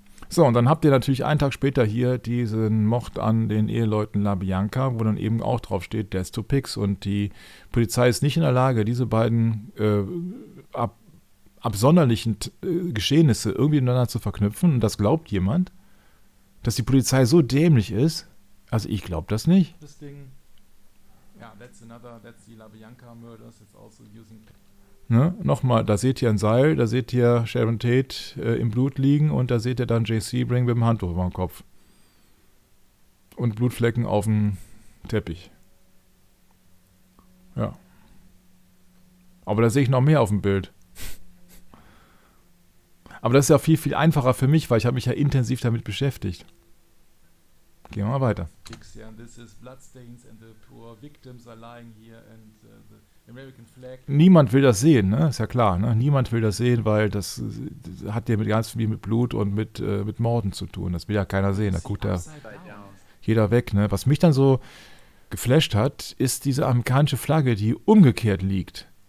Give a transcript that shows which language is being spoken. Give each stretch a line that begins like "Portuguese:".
German: So, und dann habt ihr natürlich einen Tag später hier diesen Mord an den Eheleuten La Bianca, wo dann eben auch drauf steht, Death to Pigs. Und die Polizei ist nicht in der Lage, diese beiden absonderlichen Geschehnisse irgendwie miteinander zu verknüpfen. Und das glaubt jemand, dass die Polizei so dämlich ist. Also ich glaube das nicht. Das Ding, ja,
English: that's the La Bianca murders, it's also using...
German: Ne? Nochmal, da seht ihr ein Seil, da seht ihr Sharon Tate im Blut liegen und da seht ihr dann J.C. Bring mit dem Handtuch über dem Kopf. Und Blutflecken auf dem Teppich. Ja. Aber da sehe ich noch mehr auf dem Bild. Aber das ist ja viel, viel einfacher für mich, weil ich habe mich ja intensiv damit beschäftigt. Gehen wir mal weiter.
English: This is bloodstains and the poor victims are lying here and the American flag.
German: Niemand will das sehen, ne? Ist ja klar, ne? Niemand will das sehen, weil das hat ja mit ganz viel mit Blut und mit Morden zu tun. Das will ja keiner sehen. Da guckt ja jeder weg, ne? Was mich dann so geflasht hat, ist diese amerikanische Flagge, die umgekehrt liegt.